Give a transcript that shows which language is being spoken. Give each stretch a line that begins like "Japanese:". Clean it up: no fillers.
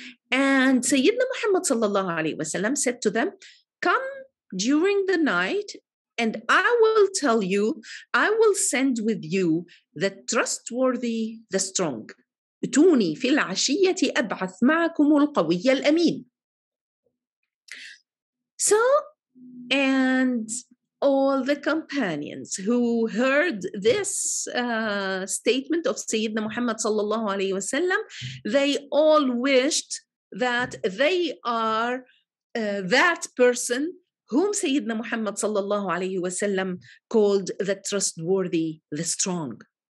English: And Sayyidina Muhammad sallallahu alayhi wa sallam said to them, come during the night and I will tell you, I will send with you the trustworthy, the strong.
Arabic: اتوني في العشية أبعث معكم القوي الأمين. So
English: And all the companions who heard this statement of Sayyidina Muhammad sallallahu alayhi wa sallam, they all wished that they are that person whom Sayyidina Muhammad sallallahu alayhi wa sallam called the trustworthy, the strong.